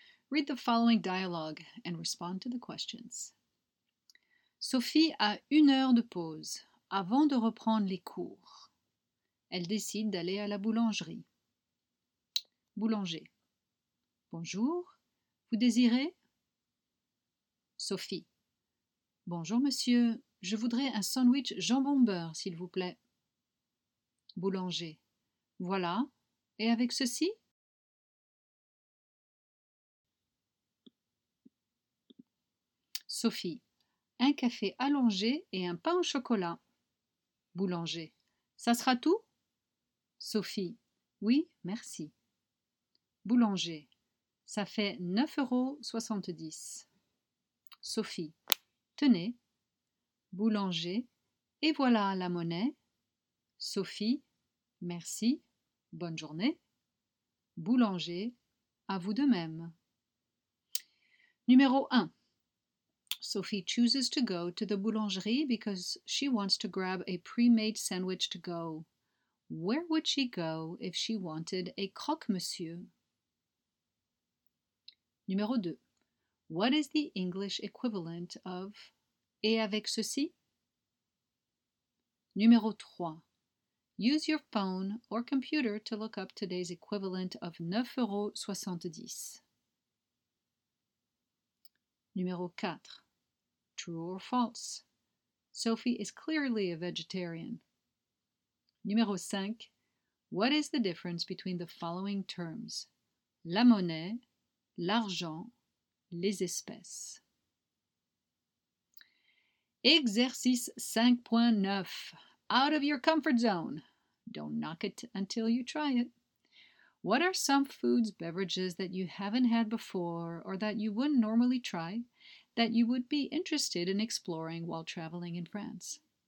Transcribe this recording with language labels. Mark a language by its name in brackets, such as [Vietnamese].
[English] Read the following dialogue and respond to the questions. [French] Sophie a une heure de pause avant de reprendre les cours. Elle décide d'aller à la boulangerie. Boulanger. Bonjour, vous désirez? Sophie. Bonjour monsieur, je voudrais un sandwich jambon-beurre, s'il vous plaît. Boulanger. Voilà. Et avec ceci? Sophie. Un café allongé et un pain au chocolat. Boulanger. Ça sera tout? Sophie. Oui, merci. Boulanger. Ça fait 9,70 €. Sophie. Tenez. Boulanger. Et voilà la monnaie. Sophie. Merci. Bonne journée. Boulanger, à vous de même. Numéro 1. [English] Sophie chooses to go to the boulangerie because she wants to grab a pre-made sandwich to go. Where would she go if she wanted a croque-monsieur? [French] Numéro 2. [English] What is the English equivalent of [French] et avec ceci? Numéro 3. [English] Use your phone or computer to look up today's equivalent of 9,70 €. [French] Numéro 4. [English] True or false? Sophie is clearly a vegetarian. [French] Numéro 5. [English] What is the difference between the following terms? [French] La monnaie, l'argent, les espèces. Exercice 5.9. [English] Out of your comfort zone. Don't knock it until you try it. What are some foods, beverages that you haven't had before or that you wouldn't normally try that you would be interested in exploring while traveling in France?